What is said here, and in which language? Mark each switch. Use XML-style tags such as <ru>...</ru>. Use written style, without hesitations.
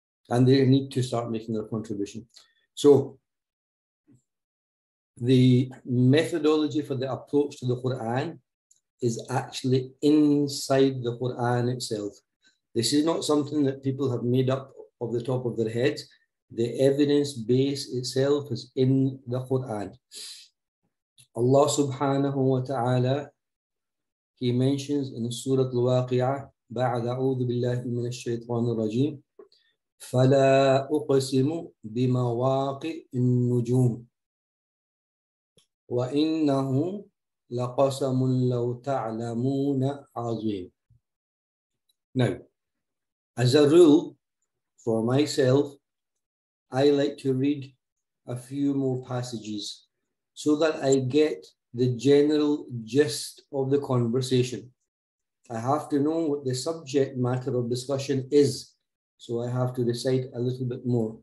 <en>And they need to start making their contribution. So the methodology for the approach to the Quran is actually inside the Quran itself. This is not something that people have made up off the top of their heads. The evidence base itself is in the Quran. Allah subhanahu wa ta'ala, he mentions in Surah Al-Waqi'ah,</en> <ar>بَعْدَ أَعُوذُ بِاللَّهِ مِنَ الشَّيْطَانِ الرَّجِيمِ فَلَا أُقْسِمُ بِمَوَاقِعِ النُّجُومِ وَإِنَّهُ لَقَسَمٌ لَوْ تَعْلَمُونَ عَظِيمٌ.</ar> <en>Now, as a rule, for myself, I like to read a few more passages so that I get the general gist of the conversation. I have to know what the subject matter of discussion is, so I have to recite a little bit more.</en>